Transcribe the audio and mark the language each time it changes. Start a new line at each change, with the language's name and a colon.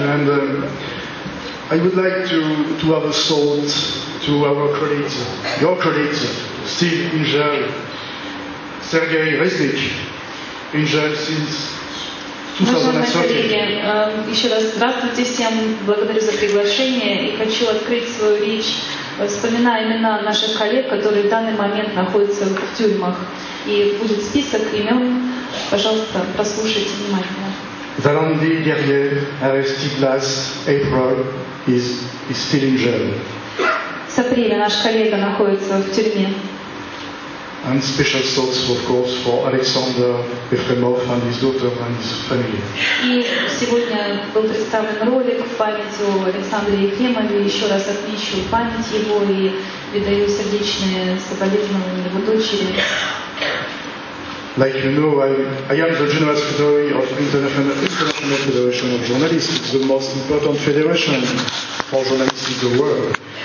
English: And I would like to have a thought to our colleagues, your colleagues, Steve Ingel, Sergei Resnik, Ingel since...
Russian: Уважаемые коллеги, еще раз здравствуйте всем, благодарю за приглашение и хочу открыть свою речь, вспоминая имена наших коллег, которые в данный момент находятся в тюрьмах. И будет список имен, пожалуйста, прослушайте внимательно.
English: The
French: lundi dernier, arresté
English: last April, is still in jail.
Russian: С апреля наш коллега находится в тюрьме.
English: And special thoughts, of course, for Alexander Efremov and his daughter and his family.
Russian: И сегодня был представлен ролик в память о Александре Ефремове. Еще раз отмечу память его и передаю сердечные соболезнования его дочери.
English: Like you know, I am the general secretary of International Federation of Journalists. It's the most important federation for journalists in the world.